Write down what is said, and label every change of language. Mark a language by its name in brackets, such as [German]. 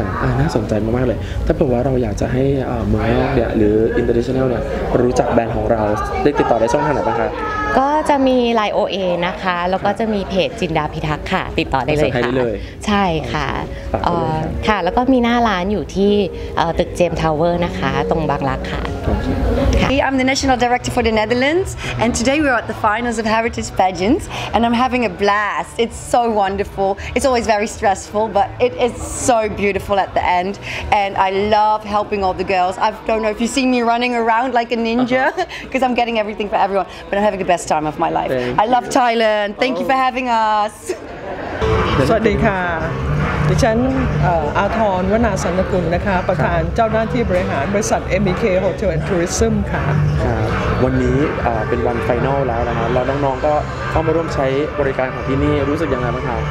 [Thai] ค่ะน่าสนใจมากๆเลยถ้าเผื่อว่าเราอยากจะให้เมืองนอกเนี่ยหรืออินเตอร์เนชั่นแนลเนี่ยรู้จักแบรนด์ของเราได้ติดต่อได้ช่องทางไหนบ้างคะ ก็จะมี LINE OA นะคะแล้วก็จะมีเพจจินดาพิทักษ์ค่ะติดต่อได้เลยค่ะ ใ ช่ค่ะค่ะแล้วก็มีหน้าร้านอยู่ที่ตึกเจมส์ทาวเวอร์นะคะตรงบางรักค่ะ [English] I'm the National Director for the Netherlands and today we're at the finals of Heritage Pageants and I'm having a blast it's so wonderful it's always very stressful but it is so beautiful at the end and I love helping all the girls I don't know if you see me running around like a ninja because I'm getting everything for everyone but I'm having the best time of my life I love Thailand thank you for having us [Thai] สวัสดีค่ะดิฉันอาทรวนาสันตกุลนะคะประธานเจ้าหน้าที่บริหารบริษัท MBK Hotel and Tourism ค่ะ ครับวันนี้เป็นวันไฟนอลแล้วนะฮะแล้วน้องๆก็เข้ามาร่วมใช้บริการของที่นี่รู้สึกยังไงบ้างคะ